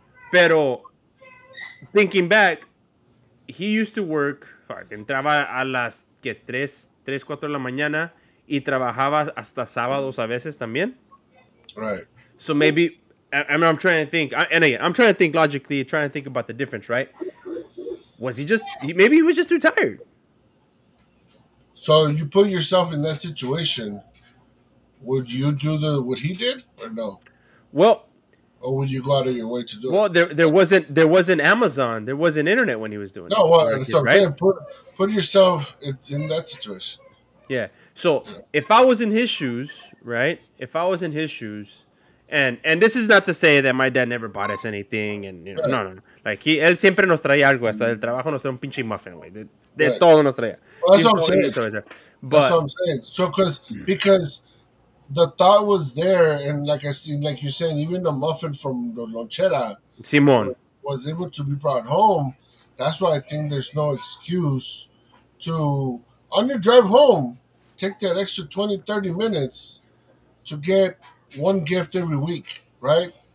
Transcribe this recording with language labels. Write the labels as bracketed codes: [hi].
[es] Pero [en] thinking back, he used to work, [es] entraba a las que tres, cuatro de la mañana. Y trabajaba hasta sábados a veces también. [en] Right. So maybe, I mean, I'm trying to think. And again, I'm trying to think logically, trying to think about the difference, right? Was he just, maybe he was just too tired. So you put yourself in that situation, would you do what he did or no? Well. Or would you go out of your way to do it? Well, there wasn't Amazon. There wasn't internet when he was doing it. No, well, that's okay. Right? Put yourself in that situation. Yeah. So if I was in his shoes, right? If I was in his shoes, and this is not to say that my dad never bought us anything, and you know, right. No. [es] Like él siempre nos traía algo hasta del trabajo, nos traía un pinche muffin, güey. De right. Todo nos traía. [en] Well, that's what I'm saying. So because the thought was there, and like I seen, like you said, even the muffin from the lonchera, [es] Simon, [en] was able to be brought home. That's why I think there's no excuse to. On your drive home, take that extra 20, 30 minutes to get one gift every week, right?